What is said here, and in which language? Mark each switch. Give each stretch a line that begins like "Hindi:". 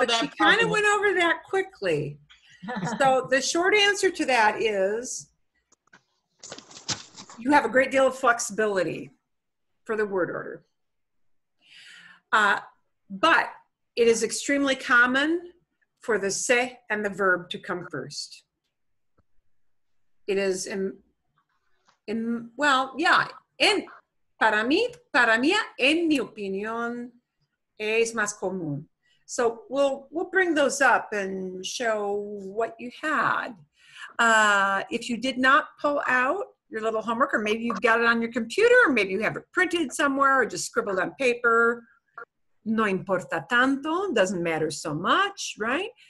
English: but she kind of went over that quickly. So the short answer to that is you have a great deal of flexibility for the word order. But it is extremely common for the se and the verb to come first. It is
Spanish: en para mí, en mi opinión, es más común.
English: So we'll bring those up and show what you had. If you did not pull out your little homework, or maybe you've got it on your computer, or maybe you have it printed somewhere, or just scribbled on paper,
Spanish: no importa tanto,
English: doesn't matter so much, right?